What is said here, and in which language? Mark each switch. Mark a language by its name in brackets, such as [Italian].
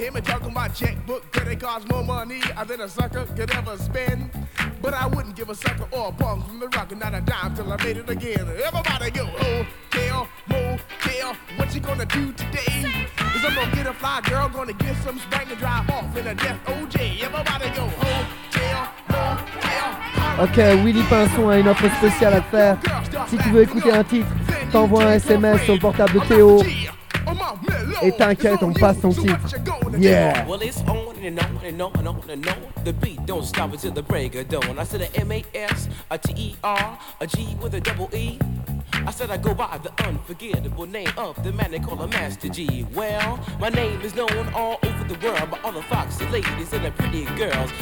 [English] Hear me talk on my checkbook, credit cards, more money than a sucker could ever spend. But I wouldn't give a sucker or a punk from the rock and not a dime till I made it again. Everybody go, hotel, motel, what you gonna do today? Is I'm gonna get a fly girl, gonna get some spank and drive off in a death OJ. Everybody go, hotel, motel. [French] Ok, Willy Pinson a une offre spéciale à faire. Si tu veux écouter un titre, t'envoie un SMS sur le portable de Théo. Et t'inquiète, on passe ton titre. Yeah. [English] Well, it's on and on and on and on and on. The beat don't stop until the break of dawn. I said a M-A-S, a T-E-R, a G with a double E. I said I go by the unforgettable name of the man they call a Master G. Well, my name is known all over the world by all the foxy ladies and the pretty girls.